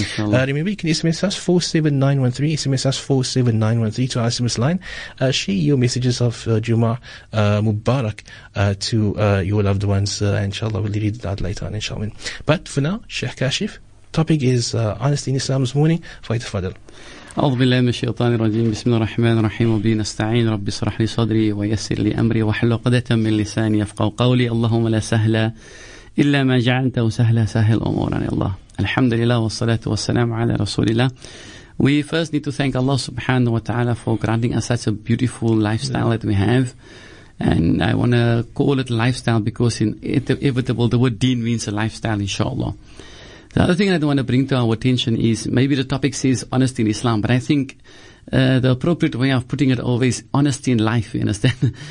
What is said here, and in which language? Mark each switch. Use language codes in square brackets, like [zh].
[en] Remember, you can SMS us 47913, SMS us 47913 to our SMS line. Share your messages of Juma Mubarak to your loved ones, inshallah. We'll read that later on, inshallah. But for now, Sheikh Kashif, topic is honesty in Islam this morning. Faith Fadl. [ar] أعوذ بالله من الشيطان الرجيم بسم الله الرحمن الرحيم وبنستعين ربي اشرح لي صدري ويسر لي أمري واحلل عقدة من لساني يفقهوا قولي اللهم لا سهل إلا ما جعلته سهلا سهل أمورنا يا الله الحمد لله والصلاة والسلام على رسول الله. [en] We first need to thank Allah subhanahu wa ta'ala for granting us such a beautiful lifestyle that we have, and I want to call it lifestyle because in inevitable the word deen means a lifestyle, inshallah. The other thing I want to bring to our attention is maybe the topic says honesty in Islam, but I think the appropriate way of putting it always honesty in life, you understand?